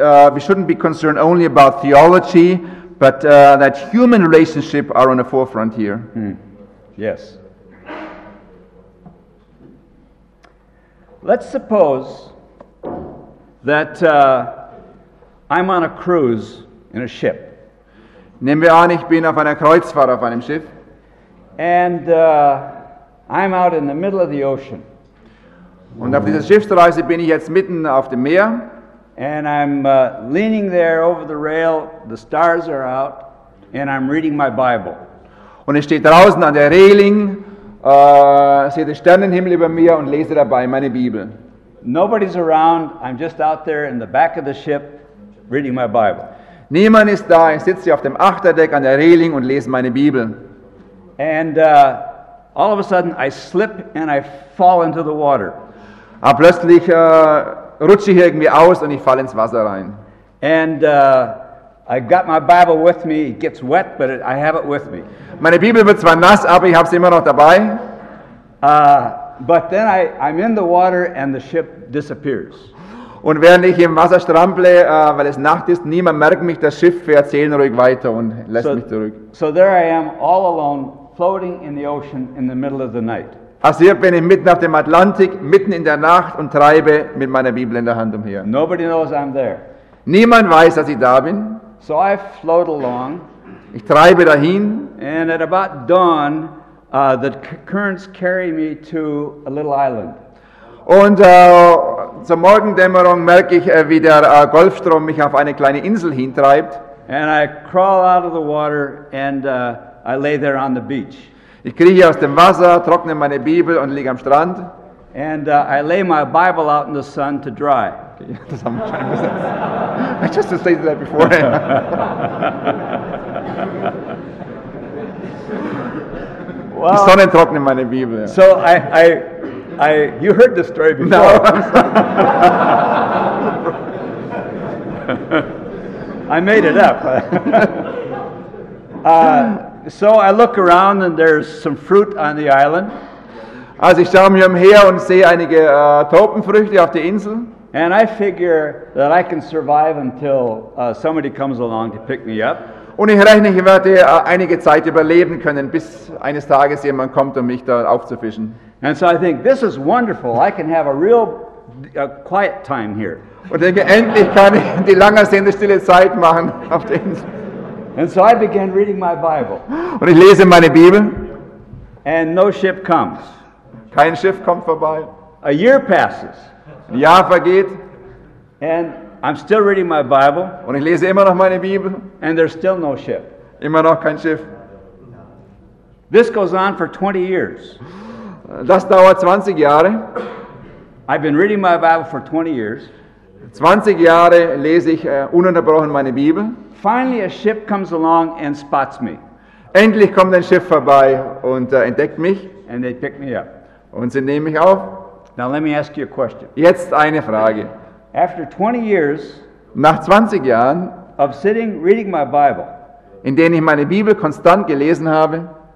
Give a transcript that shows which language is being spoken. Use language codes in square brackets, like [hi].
[en] That we shouldn't be concerned only about theology, but that human relationship are on the forefront here. Hmm. Yes. Let's suppose that I'm on a cruise in a ship. [de] Nehmen wir an, ich bin auf einer Kreuzfahrt auf einem Schiff. [en] And I'm out in the middle of the ocean. [de] Und auf dieser Schiffsreise bin ich jetzt mitten auf dem Meer. [en] And I'm leaning there over the rail, the stars are out, and I'm reading my Bible. [de] Und ich stehe draußen an der Reling, sehe den Sternenhimmel über mir und lese dabei meine Bibel. [en] Nobody's around. I'm just out there in the back of the ship reading my Bible. [de] Niemand ist da. Ich sitze auf dem Achterdeck an der Reling und lese meine Bibel. [en] And all of a sudden I slip and I fall into the water. [de] Aber plötzlich rutsche ich irgendwie aus und ich falle ins Wasser rein. [en] And I got my Bible with me. It gets wet, but I have it with me. [de] Meine Bibel wird zwar nass, aber ich habe sie immer noch dabei. [en] But then I'm in the water and the ship disappears. [de] Und während ich im Wasser strample, weil es Nacht ist, niemand merkt mich, das Schiff fährt seelenruhig weiter und lässt mich zurück. [en] So there I am, all alone, floating in the ocean in the middle of the night. [de] Also hier bin ich mitten auf dem Atlantik, mitten in der Nacht und treibe mit meiner Bibel in der Hand umher. [en] Nobody knows I'm there. [de] Niemand weiß, dass ich da bin. [en] So I float along. [de] Ich treibe dahin. [en] And at about dawn, the currents carry me to a little island. [de] Und zur Morgendämmerung merke ich, wie der Golfstrom mich auf eine kleine Insel hintreibt. [en] And I crawl out of the water and I lay there on the beach. [de] Ich krieche aus dem Wasser, trockne meine Bibel und liege am Strand. [en] And I lay my Bible out in the sun to dry. I just stated that beforehand. [de] Well, die Sonne trocknet meine Bibel. Ja. [en] So I you heard the story before. No. I made it up. So I look around and there's some fruit on the island. [de] Also ich schaue mich umher und sehe einige Tropenfrüchte auf der Insel. [en] And I figure that I can survive until somebody comes along to pick me up. [de] Und ich rechne, ich werde einige Zeit überleben können, bis eines Tages jemand kommt, um mich da aufzufischen. [en] And so I think, this is wonderful. I can have a real a quiet time here. [de] Und denke, endlich kann ich die langersehnte stille Zeit machen auf der Insel. [en] And so I begin reading my Bible. [de] Und ich lese meine Bibel. [en] And no ship comes. [de] Kein Schiff kommt vorbei. [en] A year passes. [de] Ein Jahr vergeht. [en] And I'm still reading my Bible. [de] Und ich lese immer noch meine Bibel. [en] And there's still no ship. [de] Immer noch kein Schiff. [en] This goes on for 20 years. [de] Das dauert 20 Jahre. [en] I've been reading my Bible for 20 years. [de] 20 Jahre lese ich ununterbrochen meine Bibel. [en] Finally a ship comes along and spots me. [de] Endlich kommt ein Schiff vorbei und entdeckt mich. [en] And they pick me up. [de] Und sie nehmen mich auf. [en] Now let me ask you a question. [de] Jetzt eine Frage. [en] After 20 years, [de] nach 20 Jahren, [en] of sitting reading my Bible, [de] in denen ich meine Bibel konstant gelesen habe,